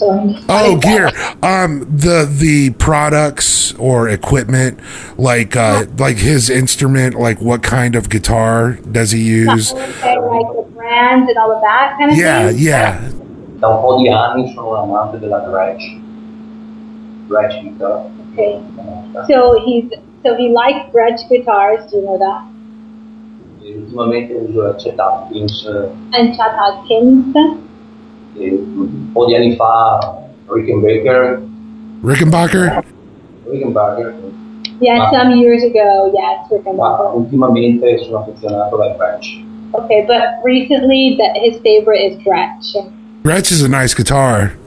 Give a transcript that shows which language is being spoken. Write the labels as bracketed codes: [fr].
[en] Can you tell me what a gear is? So gear. The products or equipment, like his instrument, like what kind of guitar does he use? Okay, like the brand and all of that kind of thing? Yeah, yeah. [it] Da un po' di anni sono amante della Gretsch. [en] Gretsch guitar. Okay. So he likes Gretsch guitars, do you know that? [it] Ultimamente uso Chet Atkins. [en] And Chet Atkins. [it] Un po' di anni fa Rickenbacker. [en] Rickenbacker? Rickenbacker. Yeah, some years ago, yes, Rickenbacker. [it] Ma ultimamente sono affezionato da Gretsch. [en] Okay, but recently his favorite is Gretsch. Gretsch is a nice guitar.